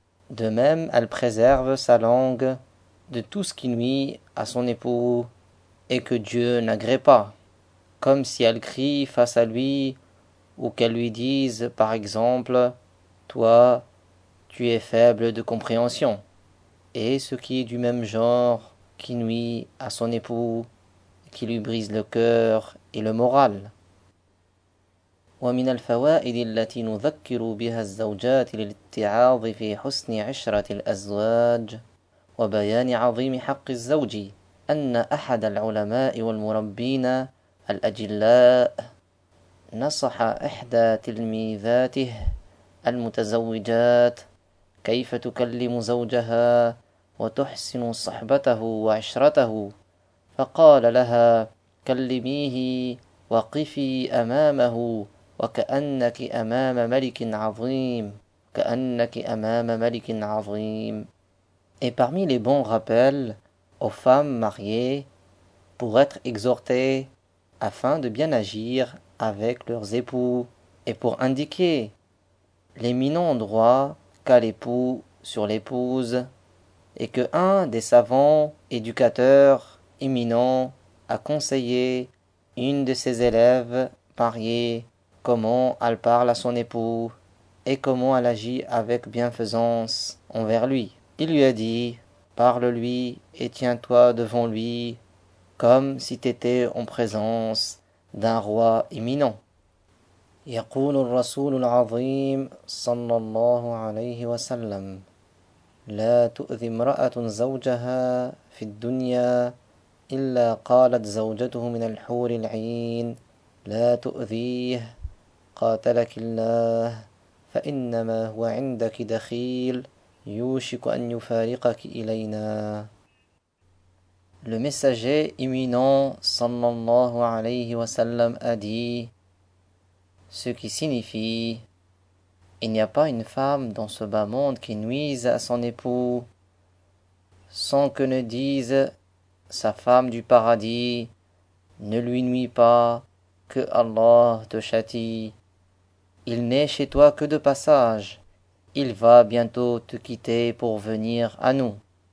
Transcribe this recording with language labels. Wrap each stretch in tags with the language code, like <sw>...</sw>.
<fr>De même, elle préserve sa langue de tout ce qui nuit à son époux et que Dieu n'agrée pas, comme si elle crie face à lui ou qu'elle lui dise par exemple « Toi, tu es faible de compréhension » et ce qui est du même genre qui nuit à son époux qui lui brise le cœur et le moral.</fr> <ar>ومن الفوائد التي نذكر بها الزوجات للاتعاظ في حسن عشرة الأزواج وبيان عظيم حق الزوج أن أحد العلماء والمربين الأجلاء نصح إحدى تلميذاته المتزوجات كيف تكلم زوجها وتحسن صحبته وعشرته فقال لها كلميه وقفي أمامه وكأنك أمام ملك عظيم كأنك أمام ملك عظيم.</ar> <fr>Et parmi les bons rappels aux femmes mariées pour être exhortées afin de bien agir avec leurs époux et pour indiquer l'éminent droit qu'a l'époux sur l'épouse et que un des savants éducateurs éminents a conseillé une de ses élèves mariées comment elle parle à son époux et comment elle agit avec bienfaisance envers lui. Il lui a dit, parle-lui et tiens-toi devant lui comme si tu étais en présence d'un roi imminent.</fr> <ar>يقول الرسول العظيم صلى الله عليه وسلم لا تؤذي امرأة زوجها في الدنيا إلا قالت زوجته من الحور العين لا تؤذيه قاتلك الله فإنما هو عندك دخيل يوشك أن يفارقك إلينا.</ar> <fr>Le messager imminent</fr> <ar>صلى الله عليه وسلم</ar> <fr>a dit, ce qui signifie « Il n'y a pas une femme dans ce bas monde qui nuise à son époux, sans que ne dise sa femme du paradis, ne lui nuis pas, que Allah te châtie. Il n'est chez toi que de passage, il va bientôt te quitter pour venir à nous. »</fr>